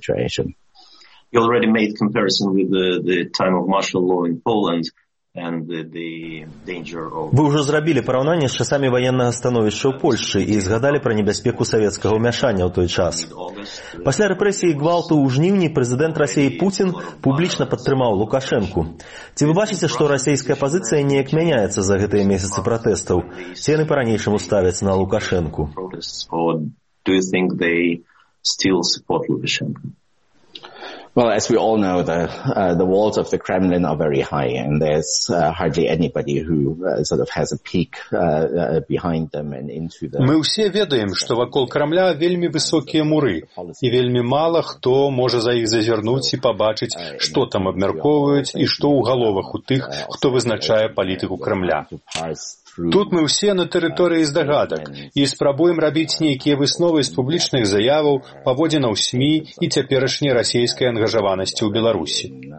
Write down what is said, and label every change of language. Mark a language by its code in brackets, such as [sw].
[en] You already made comparison with the time of martial law in Poland and the danger of... [be] Вы ўжо зрабілі параўнанне з часамі ваеннага становішча ў Польшчы і згадалі пра небяспеку савецкага ўмяшання ў той час. Пасля рэпрэсій і гвалту ў жніўні прэзідэнт Расіі Пуцін публічна падтрымаў Лукашэнку. Ці вы бачыце, што расійская пазіцыя неяк мяняецца за гэтыя месяцы пратэстаў? Ці яны па-ранейшаму ставяцца на Лукашэнку? [en] Do you think they still support Lukashenko? Well, as we all know, the walls of the Kremlin are very high, and there's hardly anybody who sort of has a peek behind them and into them. [be] Мы ўсе ведаем, што вакол Крамля вельмі высокія муры, і вельмі мала хто можа за іх зазірнуць і пабачыць, што там абмяркоўваюць і што ў галовах у тых, хто вызначае палітыку Крамля. Тут мы ўсе на тэрыторыі здагадак і спрабуем рабіць нейкія высновы з публічных заяваў, паводзінаў СМІ і цяперашняй расійскай ангажаванасці ў Беларусі.